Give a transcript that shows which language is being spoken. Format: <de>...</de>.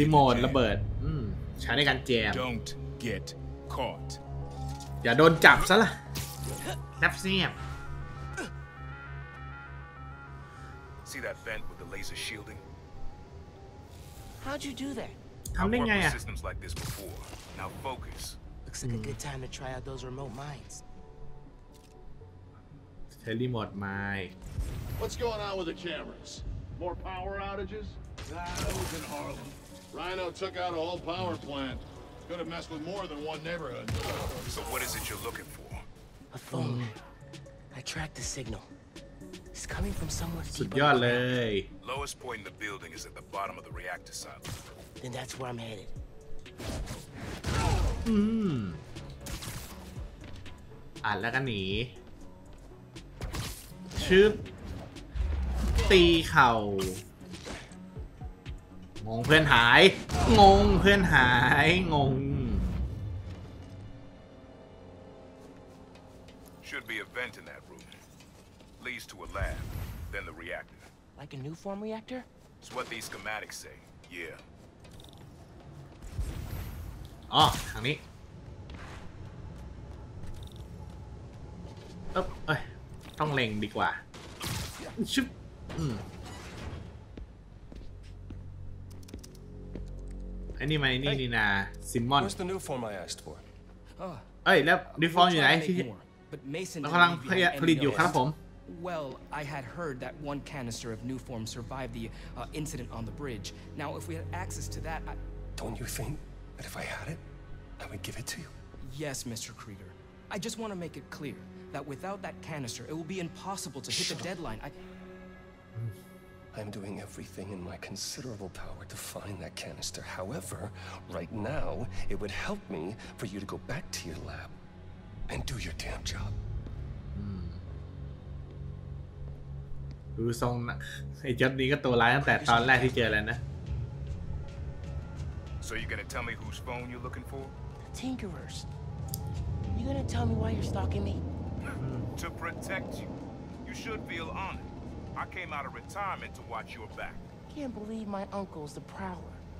<th>Remote ระเบิดใช้ในการแจม</th> <en>Don't get caught.</en> <th>อย่าโดนจับซะล่ะนับเสียบ</th> <en>See that vent with the laser shielding? How'd you do that?</en> <th>ทำได้ไงอ่ะ</th> <en>Systems like this before. Now focus. Looks like a good time to try out those remote mines.</en> <th>ใช้รีโมทไมค์</th> <en>What's going on with the cameras? More power outages?That was in Harlem. Rhino took out a whole power plant. Gonna mess with more than one neighborhood. So what is it you're looking for? A phone. I tracked the signal. It's coming from somewhere deep. Yale. Lowest point in the building is at the bottom of the reactor silo. Then that's where I'm headed.</en> <th>อ่ะแล้วก็หนีชึบตีเข่างงเพื่อนหายงงเพื่อนหายงง</th> <en>Should be a vent in that room leads to a lab then the reactor like a new form reactor it's what these schematics say yeah</en> <th>อ๋อทางนี้เอ๊ะเอ้ยต้องเล็งดีกว่าชึบไอ้นี่มันไอ้นี่นาซิมอน เฮ้ย แล้วนิวฟอร์มอยู่ไหนที่กำลังผลิตอยู่ครับผม</th> <en>Well I had heard that one canister of new form survived the incident on the bridge now if we had access to that I... don't you think that if I had it I would give it to you Yes Mr. Krieger I just want to make it clearthat without that canister it will be impossible to hit the deadline I'm doing everything in my considerable power to find that canister however right now it would help me for you to go back to your lab and do your damn job</en> <th>ดูทรงไอ้จ๊อบนี้ก็ตัวร้ายตั้งแต่ตอนแรกที่เจอแล้วนะ</th> <en>So you're going to tell me whose phone you're looking for Tinkerers You going to tell me why you're stalking me To protect you, you should feel honored. I came out of retirement to watch your back. Can't believe my uncle's the prowler.</en>